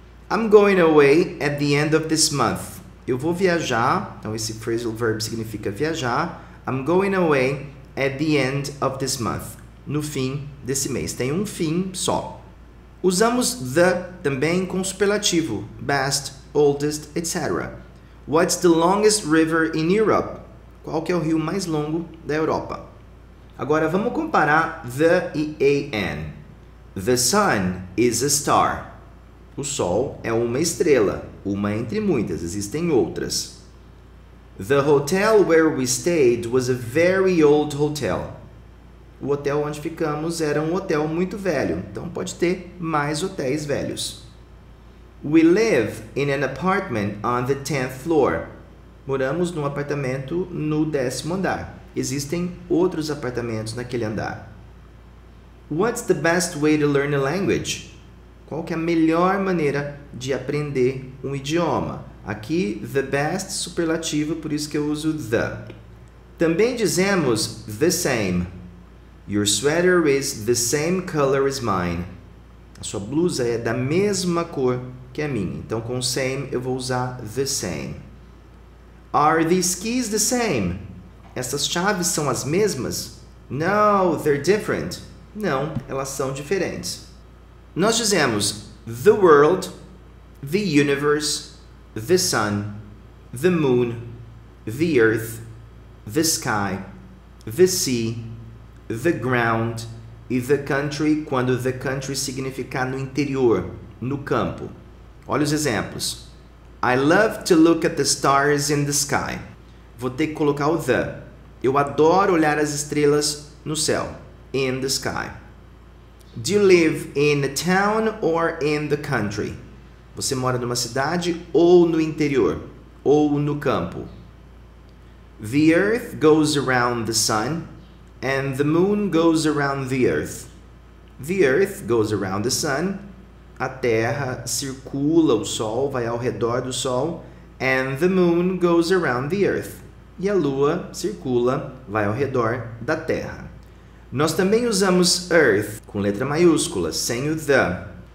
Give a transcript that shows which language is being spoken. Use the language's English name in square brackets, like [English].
[English] I'm going away at the end of this month. [Portuguese] Eu vou viajar, então esse phrasal verb significa viajar. [English] I'm going away at the end of this month. [Portuguese] No fim desse mês. Tem um fim só. Usamos the também com superlativo. [English] Best, oldest, etc. What's the longest river in Europe? [Portuguese] Qual que é o rio mais longo da Europa? Agora vamos comparar the e an. [English] The sun is a star. [Portuguese] O sol é uma estrela. Uma entre muitas. Existem outras. [English] The hotel where we stayed was a very old hotel. [Portuguese] O hotel onde ficamos era um hotel muito velho, então pode ter mais hotéis velhos. [English] We live in an apartment on the 10th floor. [Portuguese] Moramos num apartamento no décimo andar. Existem outros apartamentos naquele andar. [English] What's the best way to learn a language? [Portuguese] Qual que é a melhor maneira de aprender um idioma? Aqui, the best superlativo, por isso que eu uso the. Também dizemos the same. [English] Your sweater is the same color as mine. [Portuguese] A sua blusa é da mesma cor que a minha. Então, com same, eu vou usar the same. [English] Are these keys the same? [Portuguese] Essas chaves são as mesmas? [English] No, they're different. [Portuguese] Não, elas são diferentes. Nós dizemos the world, the universe. [English] The sun, the moon, the earth, the sky, the sea, the ground e the country, quando the country [Portuguese] significar no interior, no campo. Olha os exemplos. [English] I love to look at the stars in the sky. [Portuguese] Vou ter que colocar o the. Eu adoro olhar as estrelas no céu. [English] In the sky. Do you live in a town or in the country? [Portuguese] Você mora numa cidade ou no interior, ou no campo? [English] The Earth goes around the sun and the moon goes around the Earth. The Earth goes around the sun. [Portuguese] A Terra circula o Sol, vai ao redor do Sol. [English] And the moon goes around the Earth. [Portuguese] E a Lua circula, vai ao redor da Terra. Nós também usamos Earth com letra maiúscula, sem o the.